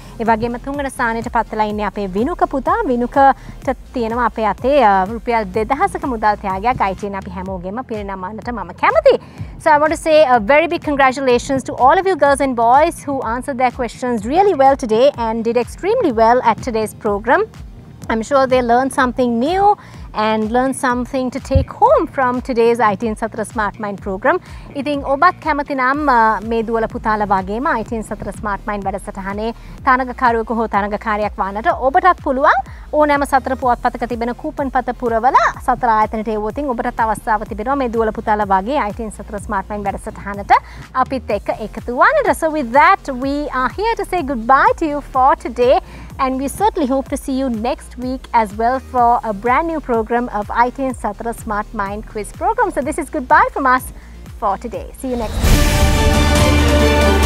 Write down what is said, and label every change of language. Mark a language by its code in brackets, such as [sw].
[si] ඒ වගේම තුන්වෙනි ස්ථානයට පත්ලා ඉන්නේ අපේ විනුක පුතා. විනුකට තියෙනවා අපේ අතේ රුපියල් 2000ක මුදල් ත්‍යාගයක්. ITN අපි හැමෝගෙම පිරිනමන්නට මම කැමතියි. [en] So I want to say a very big congratulations to all of you girls and boys who answered their questions really well today and did extremely well at today's program. I'm sure they learned something new and learned something to take home from today's ITN Satra Smart Mind program. [si] ඉතින් ඔබත් කැමති නම් මේ දුවල පුතාල වගේම ITN Satra Smart Mind වැඩසටහනේ තනගකරුවෙකු හෝ තනගකාරියක් වන්නට ඔබටත් පුළුවන්. ඕනෑම සතර පුවත්පතක තිබෙන කූපන් පත පුරවලා සතර ආයතනයට එවුවොත් ඔබටත් අවස්ථාව තිබෙනවා මේ දුවල පුතාල වගේ ITN Satra Smart Mind වැඩසටහනට අපිත් එක්ක එකතු වන්නට. [en] So with that, we are here to say goodbye to you for today. And we certainly hope to see you next week as well for a brand new program of ITN Satra Smart Mind quiz program. So this is goodbye from us for today. See you next week.